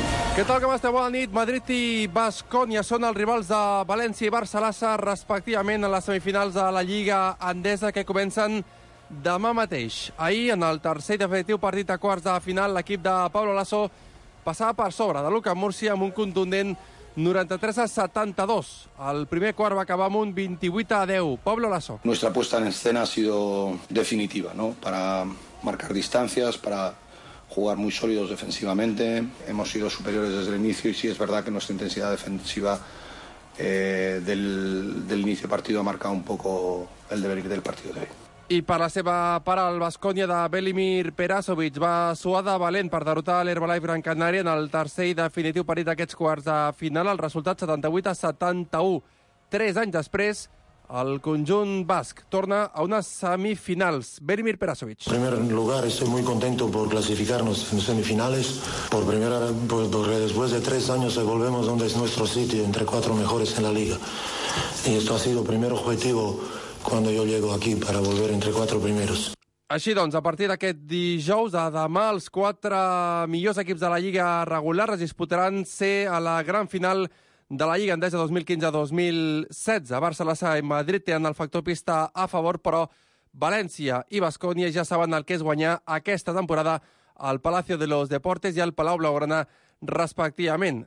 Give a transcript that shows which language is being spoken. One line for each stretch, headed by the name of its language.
Catalan: Què tal, com esteu? Bona nit. Madrid i Baskonia són els rivals de València i Barcelona, respectivament, en les semifinals de la Lliga Endesa, que comencen demà mateix. Ahir, en el tercer i definitiu partit a quarts de final, l'equip de Pablo Laso passava per sobre de Lucas Murcia amb un contundent 93-72. El primer quart va acabar amb un 28-10. Pablo Laso.
Spanish: Nuestra puesta en escena ha sido definitiva, ¿no? Para marcar distancias, para jugar muy sólidos defensivamente. Hemos sido superiores desde el inicio y sí es verdad que nuestra intensidad defensiva del inicio del partido ha marcado un poco el devenir del partido de hoy.
Catalan: I per la seva part, el Baskonia de Velimir Perasovic va suar de valent per derrotar l'Herbalife Gran Canària en el tercer i definitiu partit d'aquests quarts de final. El resultat 78-71. Tres anys després, el conjunt basc torna a
Spanish: unas
Catalan: semifinals. Velimir Perasovic.
Spanish: En primer lugar, estoy muy contento por clasificarnos en semifinales. Por primera vez, porque después de tres años volvemos donde es nuestro sitio, entre cuatro mejores en la liga. Y esto ha sido el primer objetivo cuando yo llego aquí, para volver entre cuatro primeros.
Catalan: Així doncs, a partir d'aquest dijous, a demà, els quatre millors equips de la Lliga regular es disputaran ser a la gran final de la Lliga Endesa 2015-2016. Barcelona i Madrid tenen el factor pista a favor, però València i Baskonia ja saben el que és guanyar aquesta temporada al Palacio de los Deportes i al Palau Blaugrana, respectivament.